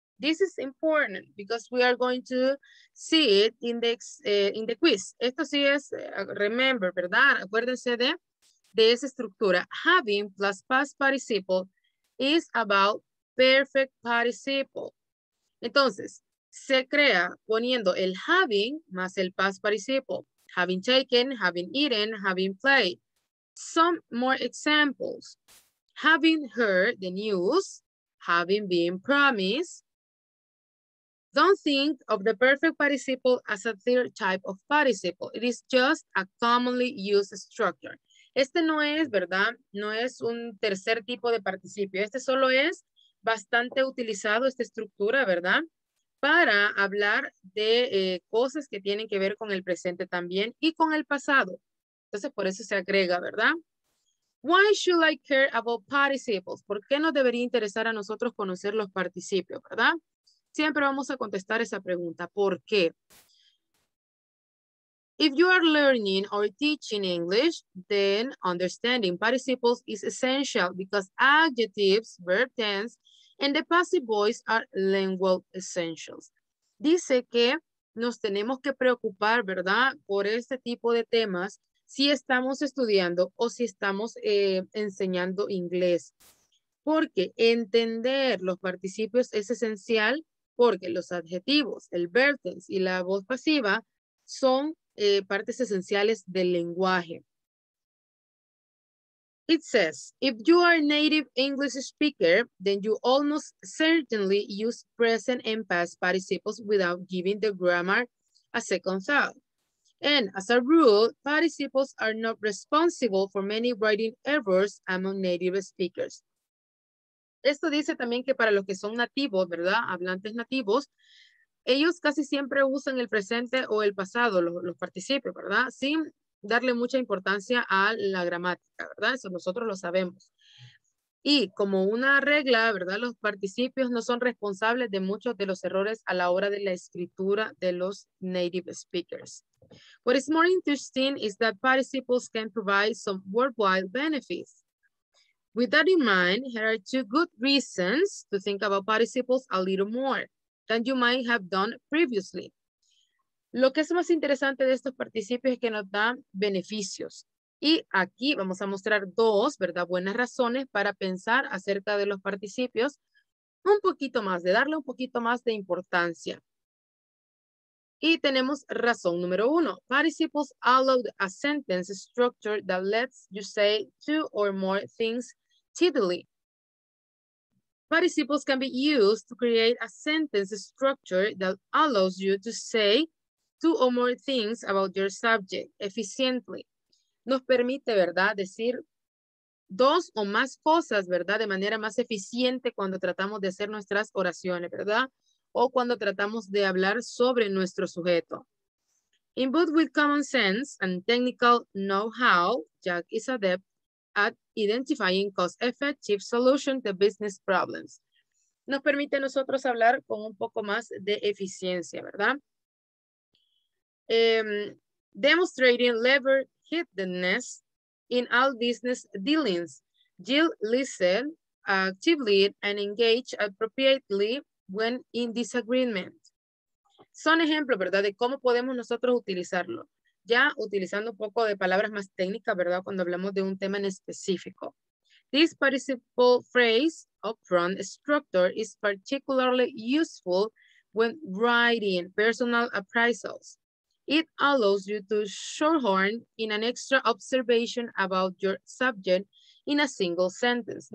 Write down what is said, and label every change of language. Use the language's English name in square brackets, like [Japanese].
[English] This is important because we are going to see it in the quiz. [Spanish] Esto sí es, [English] remember, [Spanish] ¿verdad? Acuérdense de esa estructura. [English] Having plus past participle is about perfect participle. [Spanish] Entonces, se crea poniendo el having más el past participle. [English] Having taken, having eaten, having played. Some more examples. Having heard the news, having been promised. Don't think of the perfect participle as a third type of participle. It is just a commonly used structure. [Spanish] Este no es, ¿verdad? No es un tercer tipo de participio. Este solo es bastante utilizado, esta estructura, ¿verdad? Para hablar de cosas que tienen que ver con el presente también y con el pasado. Entonces, por eso se agrega, ¿verdad? [English] Why should I care about participles? [Spanish] ¿Por qué nos debería interesar a nosotros conocer los participios, verdad? Siempre vamos a contestar esa pregunta. ¿Por qué? [English] If you are learning or teaching English, then understanding participles is essential because adjectives, verb tense, and the passive voice are lingual essentials. [Spanish] Dice que nos tenemos que preocupar, ¿verdad?, por este tipo de temas si estamos estudiando o si estamos enseñando inglés. Porque entender los participios es esencial porque los adjetivos, el verb tense y la voz pasiva son partes esenciales del lenguaje. [English] It says, if you are a native English speaker, then you almost certainly use present and past participles without giving the grammar a second thought. And as a rule, participles are not responsible for many writing errors among native speakers. [Spanish] Esto dice también que para los que son nativos, ¿verdad? Hablantes nativos, ellos casi siempre usan el presente o el pasado, los participios, ¿verdad? Sin darle mucha importancia a la gramática, ¿verdad? Eso nosotros lo sabemos. Y como una regla, ¿verdad? Los participios no son responsables de muchos de los errores a la hora de la escritura de los native speakers. [English] What is more interesting is that participles can provide some worldwide benefits. With that in mind, here are two good reasons to think about participles a little more than you might have done previously. [Spanish] Lo que es más interesante de estos participios es que nos dan beneficios. Y aquí vamos a mostrar dos, ¿verdad?, buenas razones para pensar acerca de los participios un poquito más, de darle un poquito más de importancia. Y tenemos razón número uno. [English] Participles allow a sentence structure that lets you say two or more things tidily. Participles can be used to create a sentence structure that allows you to say two or more things about your subject efficiently. [Spanish] Nos permite, ¿verdad?, decir dos o más cosas, ¿verdad?, de manera más eficiente cuando tratamos de hacer nuestras oraciones, ¿verdad?, o cuando tratamos de hablar sobre nuestro sujeto. [English] In both with common sense and technical know-how, Jack is adept at identifying cost-effective solutions to business problems. [Spanish] Nos permite a nosotros hablar con un poco más de eficiencia, ¿verdad? [English] Demonstrating level-headedness in all business dealings. Jill listened actively and engaged appropriately when in disagreement. [Spanish] Son ejemplos, ¿verdad?, de cómo podemos nosotros utilizarlo. Ya utilizando un poco de palabras más técnicas, ¿verdad?, cuando hablamos de un tema en específico. [English] This participle phrase upfront structure is particularly useful when writing personal appraisals. It allows you to shorthorn in an extra observation about your subject in a single sentence.